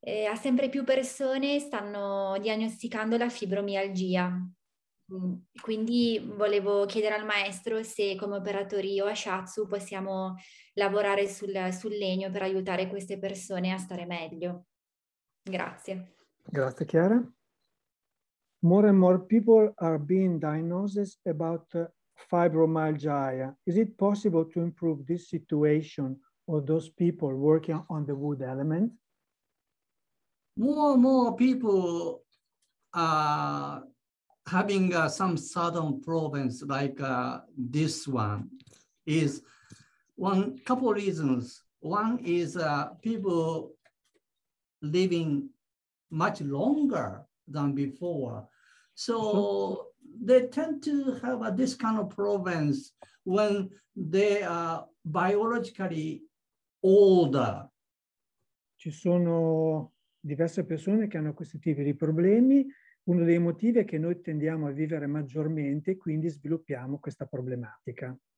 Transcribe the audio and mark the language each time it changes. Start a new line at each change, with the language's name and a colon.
Italian: A sempre più persone stanno diagnosticando la fibromialgia. Quindi volevo chiedere al maestro se come operatori Oashiatsu possiamo lavorare sul legno per aiutare queste persone a stare meglio. Grazie. Grazie Chiara.
English: More and more people are being diagnosed about fibromyalgia. Is it possible to improve this situation or those people working on the wood element? More and more people having some sudden problems like this one is one couple reasons. One is people living much longer than before, so they tend to have this kind of problems when they are biologically older.
Italian: Ci sono diverse persone che hanno questi tipi di problemi. Uno dei motivi è che noi tendiamo a vivere maggiormente, quindi sviluppiamo questa problematica.